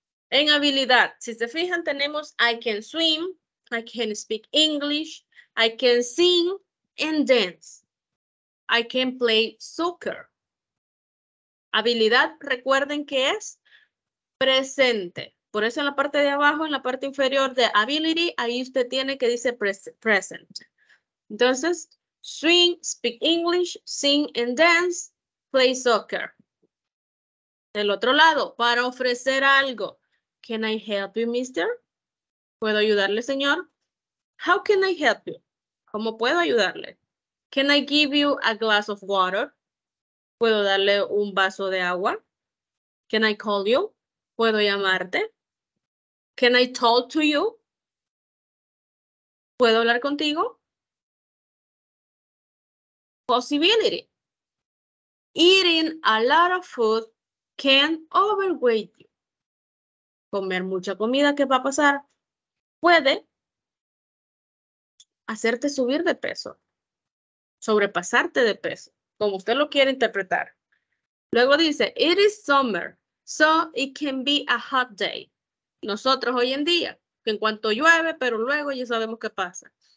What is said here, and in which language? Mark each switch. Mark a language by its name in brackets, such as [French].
[Spanish] En habilidad, si se fijan, tenemos [English] I can swim, I can speak English, I can sing and dance. I can play soccer. [Spanish] Habilidad, recuerden que es presente. Por eso en la parte de abajo, en la parte inferior de ability, ahí usted tiene que dice present. [English] Entonces, swim, speak English, sing and dance, play soccer. [Spanish] Del otro lado, para ofrecer algo. [English] Can I help you, mister? [Spanish] ¿Puedo ayudarle, señor? [English] How can I help you? [Spanish] ¿Cómo puedo ayudarle? [English] Can I give you a glass of water? [Spanish] ¿Puedo darle un vaso de agua? [English] Can I call you? [Spanish] ¿Puedo llamarte? [English] Can I talk to you? [Spanish] ¿Puedo hablar contigo? [English] Possibility. Eating a lot of food can overweight you. [Spanish] Comer mucha comida, ¿qué va a pasar? Puede hacerte subir de peso, sobrepasarte de peso, como usted lo quiere interpretar. Luego dice, [English] it is summer, so it can be a hot day. [Spanish] Nosotros hoy en día, que en cuanto llueve, pero luego ya sabemos qué pasa.